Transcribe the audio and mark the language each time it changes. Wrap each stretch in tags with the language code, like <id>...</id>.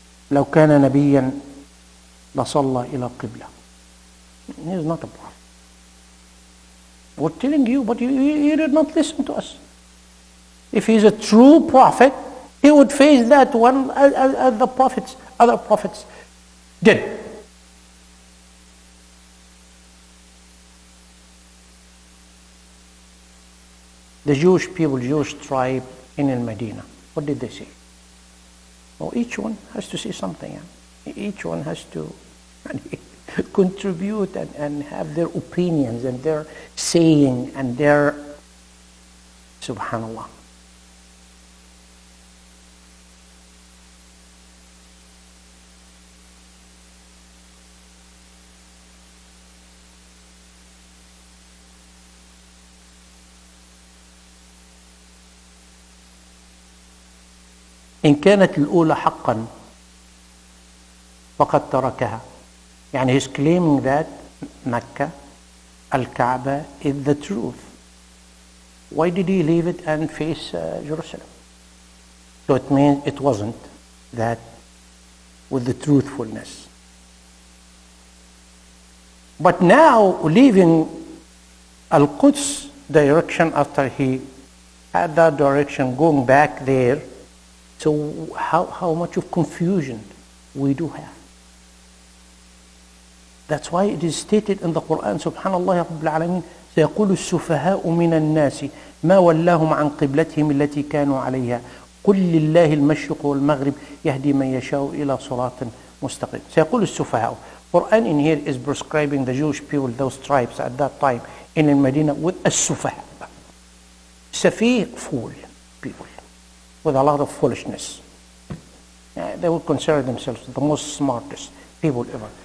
<ar>لو كان نبيا لصلى إلى قبلة.</ar> <en>He's not a prophet. We're telling you, but you did not listen to us. If he's a true prophet, he would face that one as the prophets, other prophets. Did. The Jewish people, Jewish tribe in Al-Madinah, what did they say? Well, each one has to say something. Each one has to contribute and have their opinions and their saying and their... Subhanallah.</en> <ar>إن كانت الأولى حقا فقد تركها. يعني</ar> <en>he's claiming that مكة الكعبة is the truth. Why did he leave it and face Jerusalem? So it means it wasn't that with the truthfulness. But now leaving Al-Quds direction after he had that direction going back there. So how much of confusion we do have. That's why it is stated in the Quran, Subhanallah Rabbil Alameen,</en> <ar>سَيَقُولُ السُّفَهَاءُ مِنَ النَّاسِ مَا وَلَّاهُمْ عَنْ قِبْلَتِهِمْ الَّتِي كَانُوا عَلَيْهَا قُلْ لِلَّهِ الْمَشْرِقُ وَالْمَغْرِبِ يَهْدِي مَنْ يَشَاءُ إِلَى صُرَاطٍ مُسْتَقِيمٍ. سَيَقُولُ السُّفَهَاءُ.</ar> <en>Quran in here is prescribing the Jewish people, those tribes at that time in Al-Madinah with السُّفَهَاءُ. سَفِيهُ fool people. With a lot of foolishness. They would consider themselves the most smartest people ever.</en>